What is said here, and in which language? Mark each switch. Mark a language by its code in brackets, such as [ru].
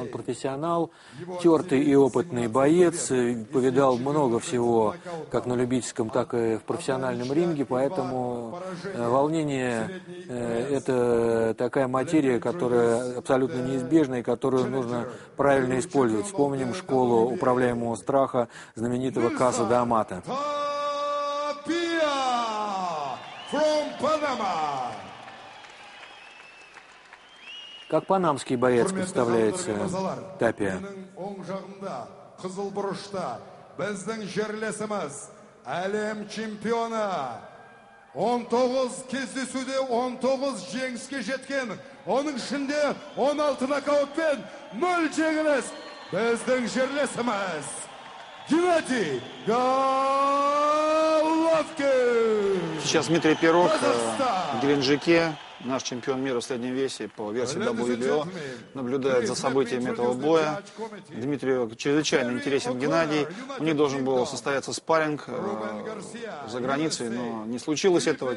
[ru] Он профессионал, тертый и опытный боец, повидал много всего, как на любительском, так и в профессиональном ринге, поэтому волнение – это такая материя, которая абсолютно неизбежна и которую нужно правильно использовать. Вспомним школу управляемого страха знаменитого Каса Дамаса. [en] Tapia from Panama. [ru] Как панамский боец представляется Тапия? [kk] Оң жағында қызыл бұрышта біздің жерлесіміз әлем чемпионы 19 кездесуде 19 жеңіске жеткен, оның ішінде 16 нокаутпен 0 жеңіліс біздің жерлесіміз Геннадий Головкин! [ru] Сейчас Дмитрий Пирог в Геленджике, наш чемпион мира в среднем весе по версии WBO, наблюдает за событиями этого боя. Дмитрию чрезвычайно интересен Геннадий. У них должен был состояться спарринг за границей, но не случилось этого.